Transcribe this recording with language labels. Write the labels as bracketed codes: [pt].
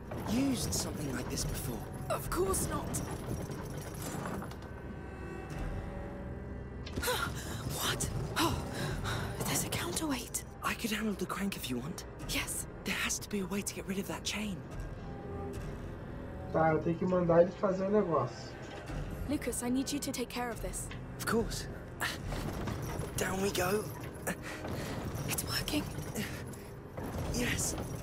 [en] Used something like this before? Of course not. What? Oh, there's a counterweight. I could handle the crank if you want. Yes. There has to be a way to get rid of that chain. [pt] Tá, eu tenho que mandar eles fazer um negócio. [en] Lucas, I need you to take care of this. Of course. Down we go. It's working. Yes.